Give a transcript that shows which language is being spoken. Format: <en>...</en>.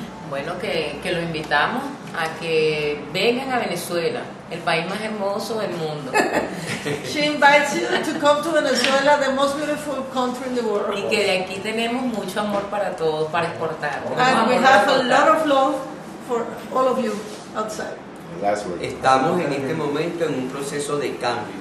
<es>Bueno, que lo invitamos a que vengan a Venezuela, el país más hermoso del mundo.</es> <en>She invites you to come to Venezuela, the most beautiful country in the world.</en> <es>Y que de aquí tenemos mucho amor para todos, para exportar.</es> <en>And we have a lot of love for all of you outside.</en> <es>Estamos en este momento en un proceso de cambio.</es>